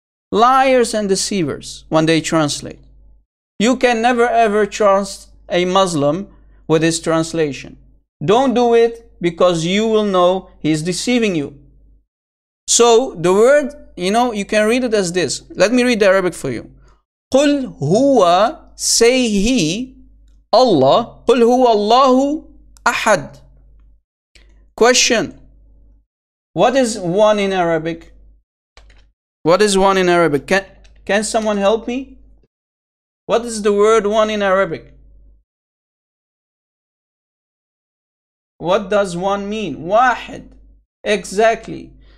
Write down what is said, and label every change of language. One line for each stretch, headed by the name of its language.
English: Liars and deceivers when they translate. You can never ever trust a Muslim with his translation. Don't do it because you will know he's deceiving you. So the word, you know, you can read it as this. Let me read the Arabic for you.
Arabic: قُلْ هُوَ,
English: say he,
Arabic: Allah, قُلْ هُوَ اللَّهُ أَحَدْ.
English: Question, what is one in Arabic? What is one in Arabic? Can someone help me? What is the word one in Arabic? What does one mean? Wahid. Exactly.